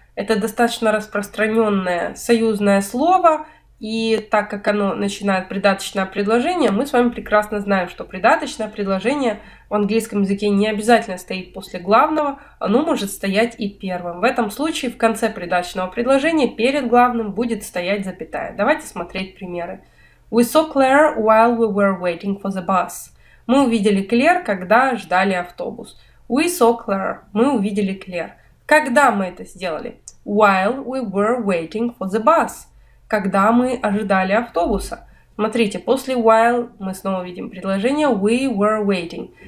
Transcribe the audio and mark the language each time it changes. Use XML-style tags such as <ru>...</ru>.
<ru>Это достаточно распространенное союзное слово, и так как оно начинает придаточное предложение, мы с вами прекрасно знаем, что придаточное предложение в английском языке не обязательно стоит после главного, оно может стоять и первым. В этом случае в конце придаточного предложения перед главным будет стоять запятая. Давайте смотреть примеры.</ru> <en>We saw Claire while we were waiting for the bus.</en> <ru>Мы увидели Claire, когда ждали автобус.</ru> <en>We saw Claire.</en> <ru>Мы увидели Claire. Когда мы это сделали?</ru> <en>While we were waiting for the bus.</en> <ru>Когда мы ожидали автобуса. Смотрите, после while мы снова видим предложение</ru> <en>we were waiting.</en>